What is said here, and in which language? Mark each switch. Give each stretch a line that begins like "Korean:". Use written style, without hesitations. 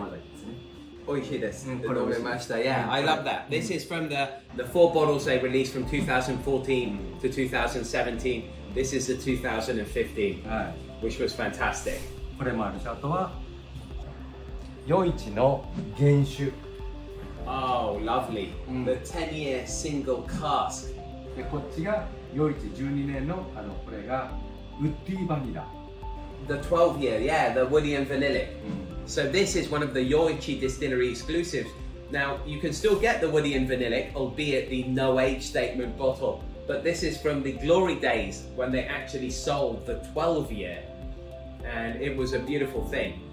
Japanese: 2015年のリミテッドエディション山崎ですね。美味しいです。飲めました。
English: Yeah, I love that. This is from the four bottles they released from 2014 to 2017. This is the 2015, which was fantastic.
Japanese: これもあるし、あとは余市の原酒。
English: Oh, lovely. The 10-year single cask.
Japanese: こっちが余市12年のこれがウッディバニラ。
English: The 12-year, yeah, the woody and vanillic. So this is one of the Yoichi Distillery exclusives. Now, you can still get the woody and vanillic, albeit the no age statement bottle, but this is from the glory days when they actually sold the 12-year, and it was a beautiful thing.